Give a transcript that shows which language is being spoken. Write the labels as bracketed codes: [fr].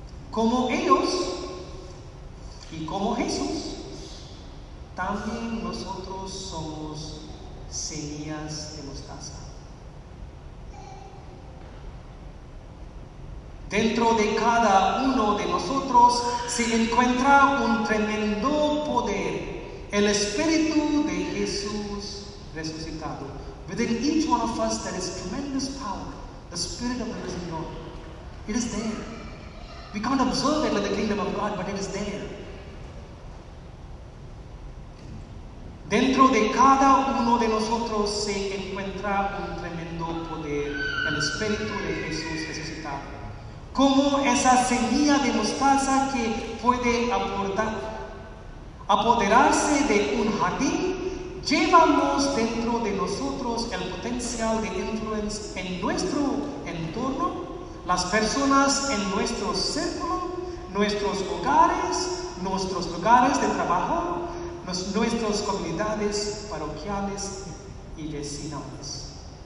[es] Como ellos y como Jesús, también nosotros somos semillas de mostaza. Dentro de cada uno de nosotros se encuentra un tremendo poder. El Espíritu de Jesús resucitado. [en] Within each one of us there is tremendous power. The Spirit of the risen Lord. It is there. We can't observe it in the kingdom of God, but it is there. [es] Dentro de cada uno de nosotros se encuentra un tremendo poder. El Espíritu de Jesús resucitado. Como esa semilla de mostaza que puede aportar. Apoderarse de un jardín, llevamos dentro de nosotros el potencial de influencia en nuestro entorno, las personas en nuestro círculo, nuestros lugares de trabajo, nuestras comunidades parroquiales y vecinales.